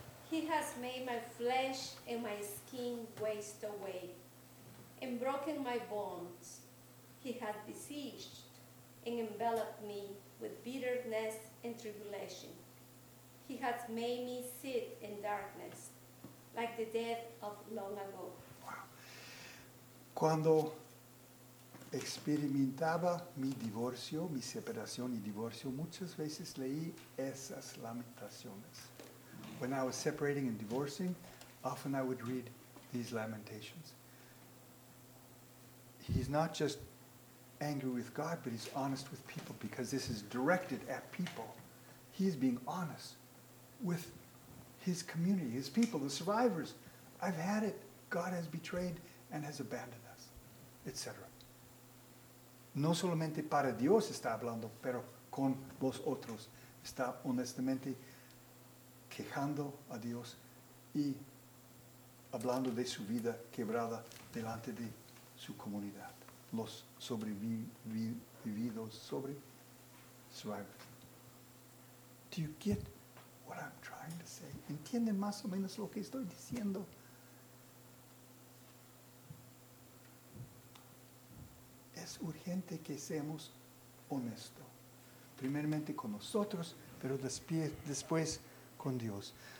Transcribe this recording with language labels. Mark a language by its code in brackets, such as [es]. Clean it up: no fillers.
[en] He has made my flesh and my skin waste away and broken my bones. He has besieged and enveloped me with bitterness and tribulation. He has made me sit in darkness, like the dead of long ago. Wow. [es] Cuando experimentaba mi divorcio, mi separación y divorcio, muchas veces leí esas lamentaciones. [en] When I was separating and divorcing, often I would read these lamentations. He's not just angry with God, but he's honest with people, because this is directed at people. He's being honest with his community, his people, the survivors. I've had it. God has betrayed and has abandoned us, etc. [es] No solamente para Dios está hablando, pero con los otros. Está honestamente quejando a Dios y hablando de su vida quebrada delante de su comunidad. Los sobrevividos, survivors. [en] Do you get what I'm trying to say? [es] ¿Entienden más o menos lo que estoy diciendo? Es urgente que seamos honestos. Primeramente con nosotros, pero después con Dios.